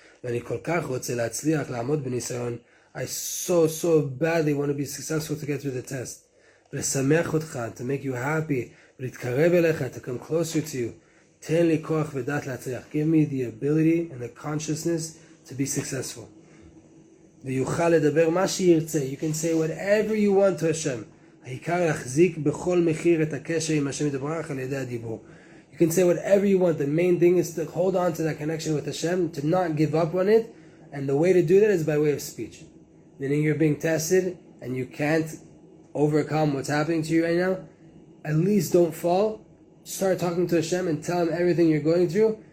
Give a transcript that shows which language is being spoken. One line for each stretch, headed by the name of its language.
Hebrew: Ani kol kach rotze latzliach la'amod b'nisayon,
English: I so, so badly want to be successful to get through the test.
Hebrew: V'lesamech otcha,
English: to make you happy,
Hebrew: v'litkarev elecha,
English: to come closer to you.
Hebrew: Ten li koach v'dat latzliach,
English: give me the ability and the consciousness to be successful.
Hebrew: V'yuchal ledaber ma sheyirtze,
English: you can say whatever you want to Hashem.
Hebrew: העיקר להחזיק בכל מחיר את הקשר עם השם יתברך על ידי הדיבור.
English: You can say whatever you want. The main thing is to hold on to that connection with Hashem, to not give up on it. And the way to do that is by way of speech. Meaning you're being tested and you can't overcome what's happening to you right now. At least don't fall. Start talking to Hashem and tell him everything you're going through.